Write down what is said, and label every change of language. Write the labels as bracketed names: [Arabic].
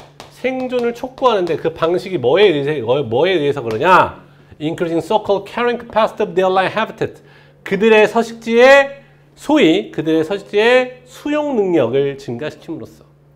[Korean] 생존을 촉구하는데 그 방식이 뭐에 의해서 그러냐? [English] Increasing so-called carrying capacity of their life habitat. [Korean] 그들의 서식지의 수용 능력을 증가시킴으로써.